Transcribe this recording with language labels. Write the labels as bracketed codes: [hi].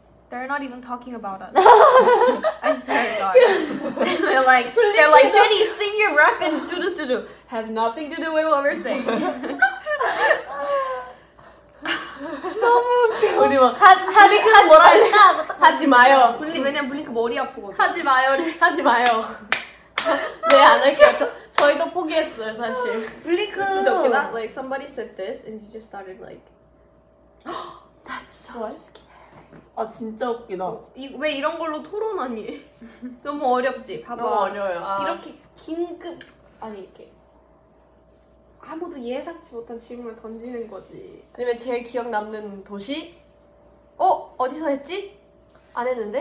[en] They're not even talking about us. I swear to God. They're like Jenny, sing your rap and do do do do. Has nothing to do with what we're saying. [ko] 너무 웃겨. 우리 막 블링크 뭐라 할까? 하지 마요. 블링크 왜냐면 블링크 머리 아프거든. 하지 마요래. 하지 마요. 네 안 할게요. 저희도 포기했어요 사실. 블링크. [en] Like somebody said this and you just started like. That's so scary. [ko] 아 진짜 웃기다. 이 왜 이런 걸로 토론하니? 너무 어렵지. 봐봐. 너무 어려요. 아. 이렇게 긴급 아니 이렇게. 아무도 예상치 못한 질문을 던지는 거지. 아니면 제일 기억 남는 도시? 어? 어디서 했지? 안 했는데?